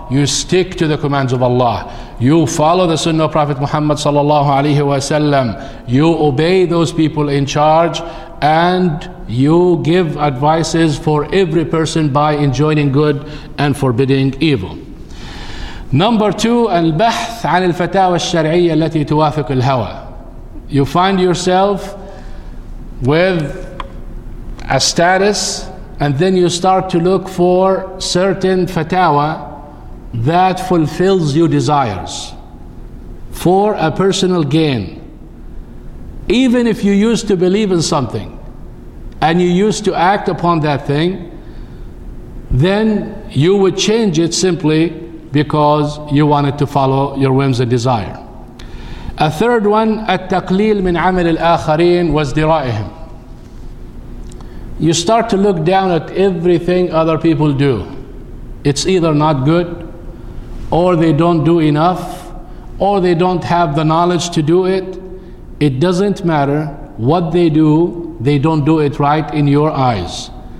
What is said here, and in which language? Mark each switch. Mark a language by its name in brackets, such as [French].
[English] You stick to the commands of Allah. You follow the Sunnah of Prophet Muhammad sallallahu alaihi wasallam. You obey those people in charge, and you give advices for every person by enjoining good and forbidding evil. Number two, [Arabic] البحث عن الفتاوى الشرعية التي توافق الهوى. [English] You find yourself with a status, and then you start to look for certain fatawa that fulfills your desires for a personal gain. Even if you used to believe in something and you used to act upon that thing, then you would change it simply because you wanted to follow your whims and desire. A third one, [Arabic] التقليل من عمل الآخرين وازدرائهم. [English] you start to look down at everything other people do. It's either not good, or they don't do enough, or they don't have the knowledge to do it. It doesn't matter what they don't do it right in your eyes.